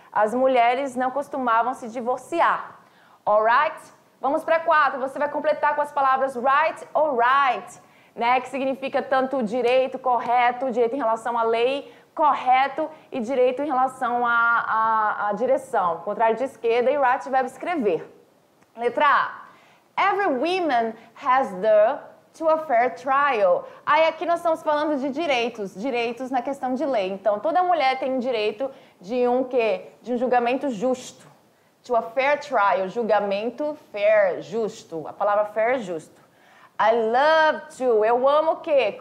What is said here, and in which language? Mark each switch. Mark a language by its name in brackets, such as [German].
[Portuguese] As mulheres não costumavam se divorciar. [English] All right? [Portuguese] Vamos para 4. Você vai completar com as palavras right ou right, né? Que significa tanto direito, correto, direito em relação à lei, correto e direito em relação à direção. Contrário de esquerda e right, verbo escrever. Letra A. [English] Every woman has the to a fair trial. [Portuguese] Aí aqui nós estamos falando de direitos, direitos na questão de lei. Então, toda mulher tem direito de um quê? De um julgamento justo. [English] To a fair trial, [Portuguese] julgamento fair, justo. A palavra fair é justo. [English] I love to, [Portuguese] eu amo o quê?